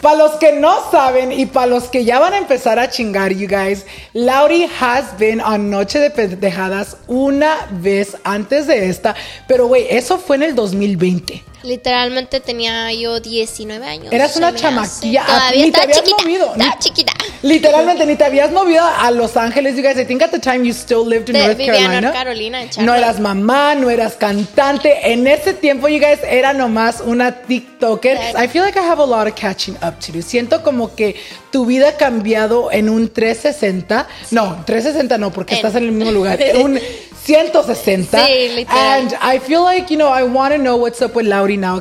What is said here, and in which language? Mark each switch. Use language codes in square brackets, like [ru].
[es] Para los que no saben y para los que ya van a empezar a chingar, [en] you guys, [es] Lauri has been on Noche de Pendejadas una vez antes de esta, pero güey, eso fue en el 2020. Literalmente tenía yo 19 años. Eras una chamaquilla. Todavía estaba chiquita. Literalmente ni te habías movido a Los Ángeles. [en] You guys, I think at the time you still lived in North Carolina. [es] Vivía en North Carolina. No eras mamá, no eras cantante. En ese tiempo, [en] you guys, [es] era nomás una TikToker. [en] I feel like I have a lot of catching up to do. [es] Siento como que tu vida ha cambiado en un 360. Sí. No, 360 no, porque estás en el mismo lugar. Un 160. Sí, literal. [en] And I feel like, you know, I want to know what's up with Lauri now.